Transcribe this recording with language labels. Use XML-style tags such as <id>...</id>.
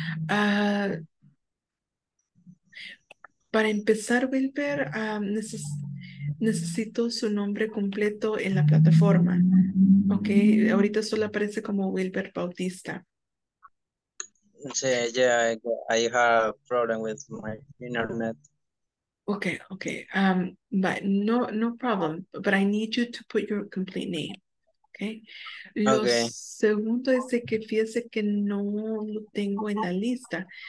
<es>Para empezar, Wilber, necesito su nombre completo en la plataforma. Ok, ahorita solo aparece como Wilber Bautista.</es> <en>Sí, yeah, I have a problem with my internet. Ok, ok. But no problem, but I need you to put your complete name. Okay. Lo okay.</en> <es>Segundo es de que fíjese que no lo tengo en la lista.</es>